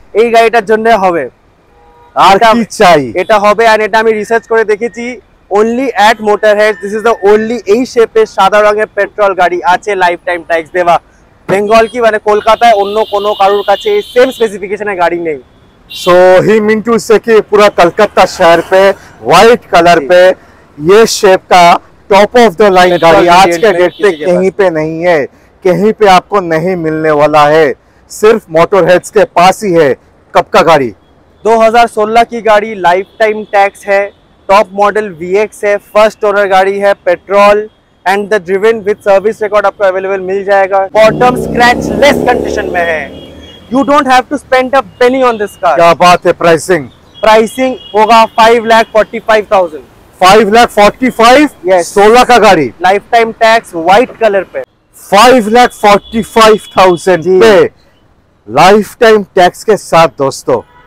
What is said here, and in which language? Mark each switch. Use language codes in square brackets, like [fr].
[bn] এই গাড়িটার জন্য হবে আর কি চাই, এটা হবে। আর এটা আমি রিসার্চ করে দেখেছি [en] only at Motorhead, this is the only [bn] এই শেপের সাদা রঙের পেট্রোল গাড়ি আছে লাইফ টাইম ট্যাক্স দেওয়া বেঙ্গল কি মানে কলকাতায় অন্য কোনো কারুর কাছে এই সেম স্পেসিফিকেশনের গাড়ি নেই। [en] So, he meant to say [hi] कि पूरा कलकत्ता शहर पे व्हाइट कलर पे ये शेप का [en] top of the line [hi] गाड़ी आज के डेट पे कहीं पे नहीं है, कहीं पे आपको नहीं मिलने वाला है, सिर्फ मोटरहेड्स के पास ही है। कब का गाड़ी? 2016 की गाड़ी, लाइफ टाइम टैक्स है, टॉप मॉडल VX है, फर्स्ट ओनर गाड़ी है, petrol and the driven with service record आपको अवेलेबल मिल जाएगा, बॉटम स्क्रैच लेस कंडीशन में है। [en] You don't have to spend a penny on this car. [hi] क्या बात है, pricing? Pricing होगा 5,45,000. 5,45,000? [en] Yes. [hi] 16 का गाड़ी. [en] Lifetime tax white color पे. [hi] 5,45,000 पे. Lifetime tax के साथ दोस्तों.